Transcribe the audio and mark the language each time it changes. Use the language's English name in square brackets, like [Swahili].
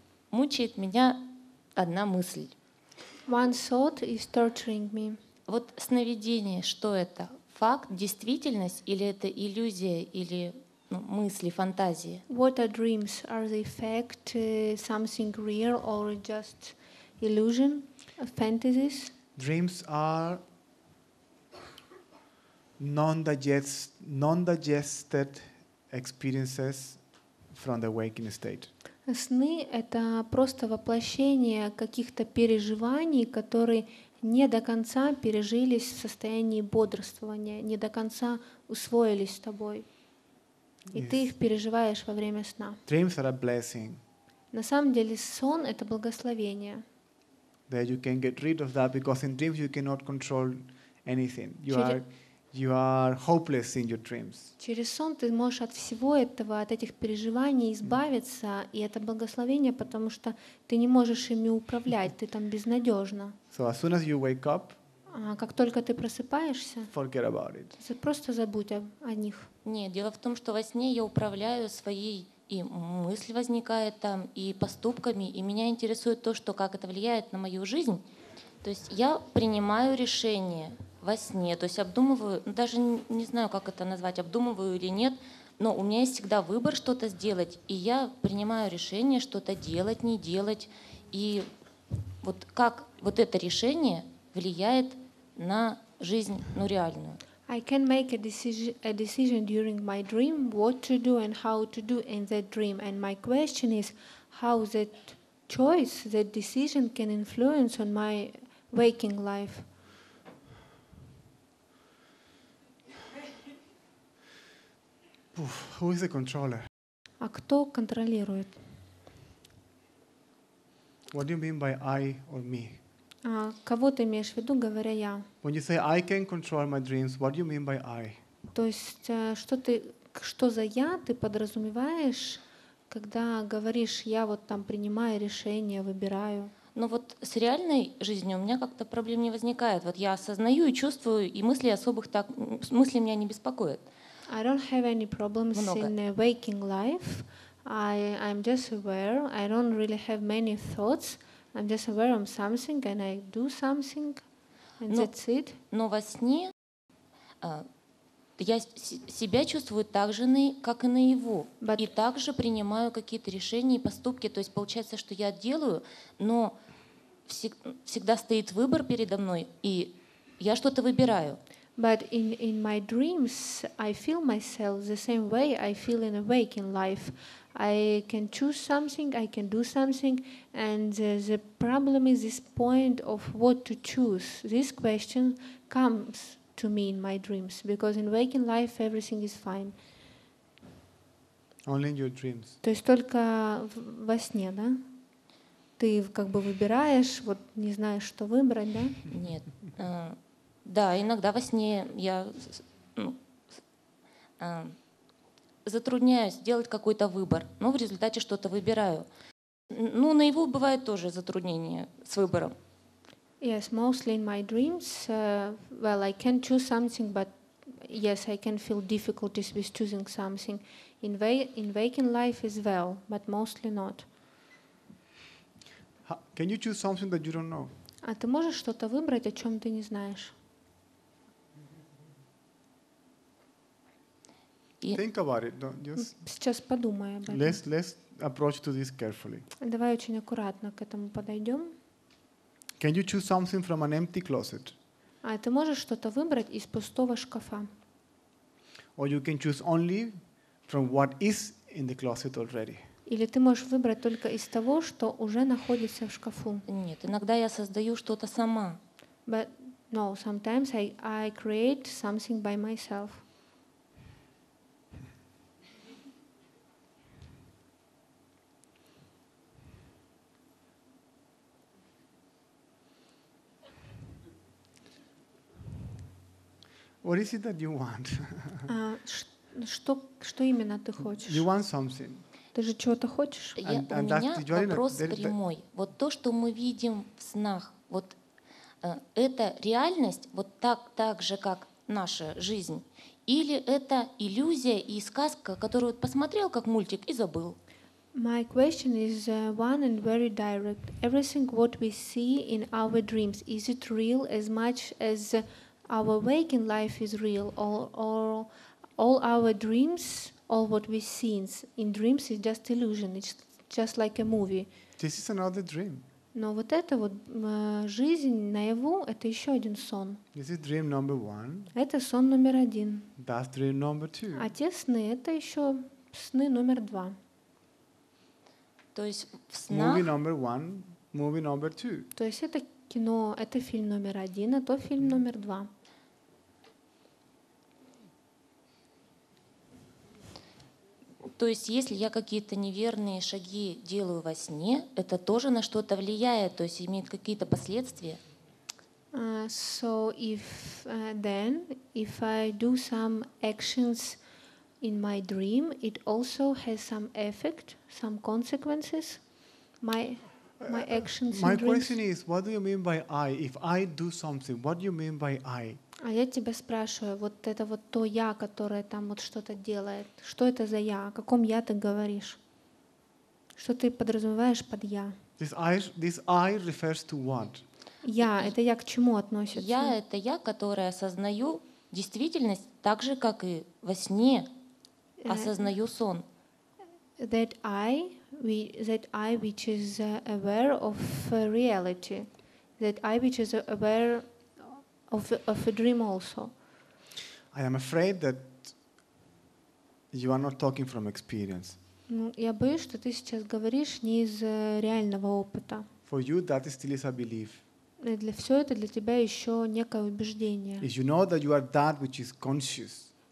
[Russian] Мучает меня одна мысль. [English] One thought is torturing me. [Russian] Вот сновидение, что это? Факт, действительность или это иллюзия или мысли, фантазии? [English] What are dreams? Are they fact, something real or just illusion, fantasies? Dreams are non-digested experiences from the waking state. [Russian] Сны — это просто воплощение каких-то переживаний, которые не до конца пережились в состоянии бодрствования, не до конца усвоились с тобой. И ты их переживаешь во время сна. [English] Dreams are a blessing. [Russian] На самом деле сон — это благословение. [English] That you can get rid of that, because in dreams you cannot control anything. You are hopeless in your dreams. [Russian] Через сон ты можешь от всего этого, от этих переживаний избавиться, и это благословение, потому что ты не можешь ими управлять, ты там безнадежно. [English] So as soon as you wake up, [Russian] как только ты просыпаешься, [English] forget about it. [Russian] Просто забудь о них. Нет, дело в том, что во сне я управляю своей, и мысль возникает там, и поступками, и меня интересует то, что как это влияет на мою жизнь. То есть я принимаю решение во сне, то есть обдумываю, даже не знаю, как это назвать, обдумываю или нет, но у меня есть всегда выбор что-то сделать, и я принимаю решение что-то делать, не делать, и вот как вот это решение влияет на жизнь, ну, реальную. [English] I can make a decision during my dream what to do and how to do in that dream, and my question is how that choice, that decision can influence on my waking life. Who is the controller? [Russian] А кто контролирует? [English] What do you mean by I or me? [Russian] Кого ты имеешь в виду, говоря я? [English] When you say I can control my dreams, what do you mean by I? [Russian] То есть что ты, что за я ты подразумеваешь, когда говоришь я вот там принимаю решение, выбираю? Но вот с реальной жизнью у меня как-то проблем не возникает. Вот я осознаю и чувствую, и мысли особых так, мысли меня не беспокоят. [English] I don't have any problems [Russian] много. [English] In a waking life. I'm just aware. I don't really have many thoughts. I'm just aware of something and I do something and that's it. [Russian] Но во сне я себя чувствую так же, как и наяву. [English] But [Russian] и также принимаю какие-то решения и поступки. То есть получается, что я делаю, но всегда стоит выбор передо мной, и я что-то выбираю. [English] But in my dreams, I feel myself the same way I feel in a waking life. I can choose something, I can do something, and the problem is this point of what to choose. This question comes to me in my dreams, because in waking life everything is fine. Only in your dreams. [Russian] То есть только во сне, да? Ты как бы выбираешь, вот не знаешь, что выбрать, да? Нет. Да, иногда во сне я затрудняюсь делать какой-то выбор, но в результате что-то выбираю. Ну, наяву бывает тоже затруднение с выбором. [English] Yes, mostly in my dreams, well, I can choose something, but yes, I can feel difficulties with choosing something in waking life as well, but mostly not. Can you choose something that you don't know? [Russian] А ты можешь что-то выбрать, о чем ты не знаешь? [English] Think about it. Don't just. [Russian] Сейчас подумай об этом. [English] Let's approach to this carefully. [Russian] Давай очень аккуратно к этому подойдем. [English] Can you choose something from an empty closet? [Russian] А ты можешь что-то выбрать из пустого шкафа? [English] Or you can choose only from what is in the closet already. [Russian] Или ты можешь выбрать только из того, что уже находится в шкафу? Нет, иногда я создаю что-то сама. [English] But no, sometimes I create something by myself. What is it that you want? [Russian] Что именно ты хочешь? [English] You want something. [Russian] Ты же чего-то хочешь? У меня вопрос прямой. Вот то, что мы видим в снах, вот это реальность, вот так же, как наша жизнь, или это иллюзия и сказка, которую вот посмотрел как мультик и забыл? [English] My question is one and very direct. Everything what we see in our dreams, is it real as much as our waking life is real, all our dreams, all what we see in dreams is just illusion. It's just like a movie. This is another dream. [Russian] Но вот эта вот жизнь наяву — это еще один сон. [English] This is dream number one. [Russian] Это сон номер один. [English] That's dream number two. [Russian] А те сны — это еще сны номер два. То есть в снах... [English] Movie number one, movie number two. [Russian] То есть это кино, это фильм номер один, а то фильм номер два. То есть, если я какие-то неверные шаги делаю во сне, это тоже на что-то влияет, то есть имеет какие-то последствия? [English] So if then if I do some actions in my dream, it also has some effect, some consequences. My actions. My question is, what do you mean by I? If I do something, what do you mean by I? [Russian] А я тебя спрашиваю, вот это вот то я, которое там вот что-то делает. Что это за я? О каком я ты говоришь? Что ты подразумеваешь под я? [English] This I refers to what? [Russian] Я, это я к чему относится? Я — это я, которое осознаю действительность так же, как и во сне осознаю сон. [English] That I which is aware of reality. That I which is aware of a dream also. I am afraid that you are not talking from experience. [Russian] Ну, я боюсь, что ты сейчас говоришь не из реального опыта. For you that is still a belief. Для всего это для тебя еще некое убеждение. [English] If you know that you are that which is conscious.